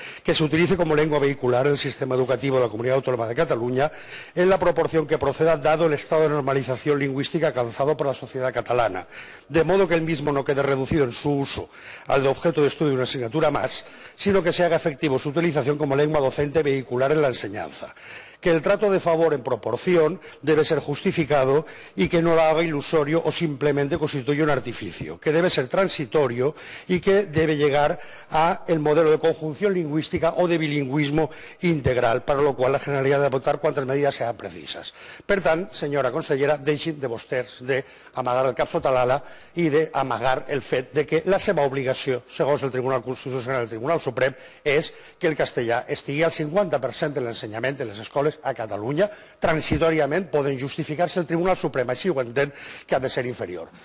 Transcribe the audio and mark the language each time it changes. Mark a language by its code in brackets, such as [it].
[ca] que s'utilitza com a llengua vehicular en el sistema educatiu de la Comunitat Autònoma de Catalunya en la proporció [es] que proceda dado el estado de normalización lingüística alcanzado por la sociedad catalana, de modo que el mismo no quede reducido en su uso al de objeto de estudio de una asignatura más, sino que se haga efectivo su utilización como lengua docente vehicular en la enseñanza. Que el trato de favor en proporción debe ser justificado y que no lo haga ilusorio o simplemente constituye un artificio, que debe ser transitorio y que debe llegar al modelo de conjunción lingüística o de bilingüismo integral, para lo cual la Generalitat ha de votar cuantas medidas sean precisas. [ca] Per tant, senyora consellera, deixin de vostès d'amagar el cap sota l'ala i d'amagar el fet de que la seva obligació, segons el Tribunal Constitucional i el Tribunal Suprem, és que el castellà estigui al 50% de l'ensenyament de les escoles a Catalunya, transitoriament poden justificar-se el Tribunal Suprem, així ho entén, que ha de ser inferior.